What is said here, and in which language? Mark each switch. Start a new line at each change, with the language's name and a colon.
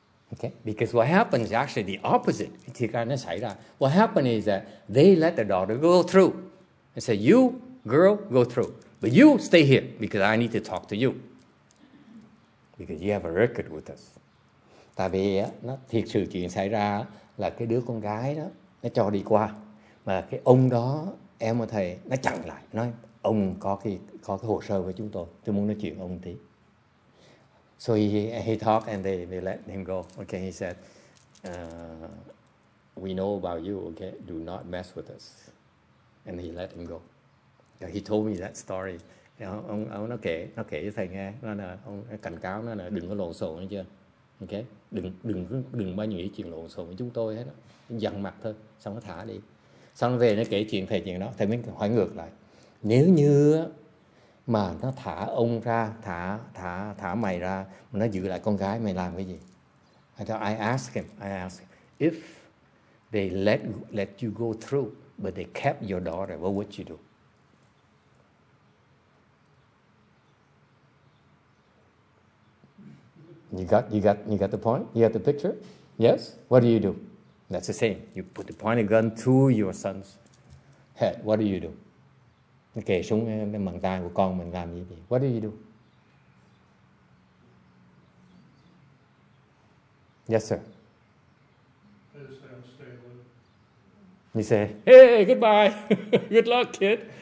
English: Okay, because what happened is actually the opposite. What happened is that they let the daughter go through. They said, you, girl, go through. But you stay here because I need to talk to you. Because you have a record with us.
Vietnamese: Tại vì nó thiệt sự chuyện xảy ra là cái đứa con gái đó, nó cho đi qua. Mà cái ông đó, em và thầy, nó chặn lại. Nói, ông có cái hồ sơ với chúng tôi muốn nói chuyện ông tí.
English: So he talked and they let him go. Okay, he said, we know about you, okay? Do not mess with us. And he let him go. Yeah, he told me that story.
Vietnamese: Ông nó kể cho thầy nghe. Nó là ông cảnh cáo nó là đừng có lộn xộn chưa? Okay? Đừng bao nhiêu chuyện lộn xộn với chúng tôi hết. Dằn mặt thôi, xong nó thả đi. Xong về nó kể chuyện thầy chuyện đó. Thầy mới hỏi ngược lại. Nếu như mà nó thả ông ra, thả mày ra, mà nó giữ lại con gái, mày làm cái gì?
English: I asked him, if they let you go through, but they kept your daughter, what would you do? You got the point? You got the picture? Yes? What do you do? That's the same. You put the pointed gun to your son's head. What do you do?
Vietnamese: Nó kề súng cái mảng tai của con mình làm gì vậy?
English: What do you do? Yes, sir. You say, hey, goodbye. Good luck, kid.